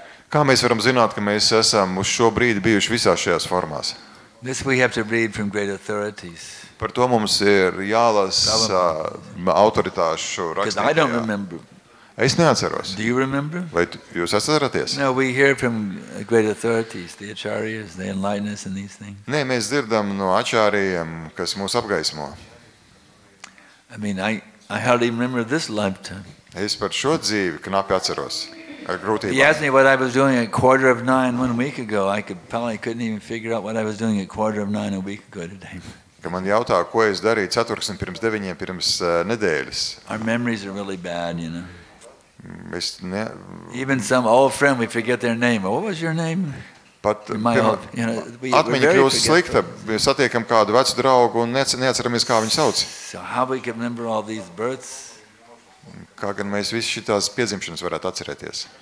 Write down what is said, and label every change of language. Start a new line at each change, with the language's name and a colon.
Latvian: Kā mēs varam zināt, ka mēs esam uz šo brīdi bijuši visās šajās formās?
English: This we have to read from great authorities.
Latvian: Par to mums ir jālasa autoritāšu rakstītajā.
English: Because I don't remember.
Latvian: Es neatceros.
English: Do you remember?
Latvian: Vai jūs atceraties?
English: No, we hear from great authorities, the acharyas, the enlighteners and these things.
Latvian: Nē, mēs dzirdam no acharyiem, kas mūs apgaismo.
English: I mean, I hardly remember this lifetime.
Latvian: Es par šo dzīvi knapi atceros. Ar grūtībām.
English: He asked me what I was doing at 8:45 one week ago. I couldn't even figure out what I was doing at 8:45 a week ago today.
Latvian: Kad man jautā, ko es darīju 4:00 pirms 9:00 pirms nedēļas.
English: Our memories are really bad, you know.
Latvian: Mēs ne...
English: Even some old friend, we forget their name. What was your name?
Latvian: Pat, atmiņa kļūst slikta. Mēs satiekam kādu vecu draugu un neatceramies, kā viņu sauc.
English: So how we can remember all these births?
Latvian: Kā gan mēs visu šitās piedzimšanas varētu atcerēties?